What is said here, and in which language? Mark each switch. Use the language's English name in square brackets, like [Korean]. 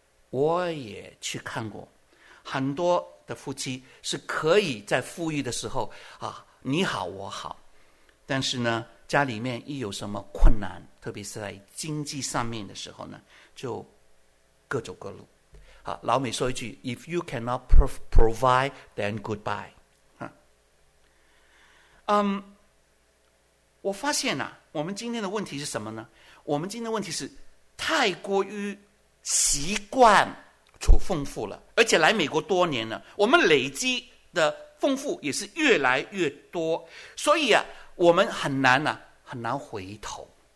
[Chinese] 我也去看过很多的夫妻是可以在富裕的时候啊，你好我好，但是呢，家里面一有什么困难，特别是在经济上面的时候呢，就各走各路。 [English] 啊， [Chinese] 老美说一句 [English] ：“If you cannot provide, then goodbye。” [Chinese] 我发现啊，我们今天的问题是什么呢？我们今天的问题是太过于习惯处丰富了，而且来美国多年了，我们累积的丰富也是越来越多，所以啊，我们很难啊，很难回头。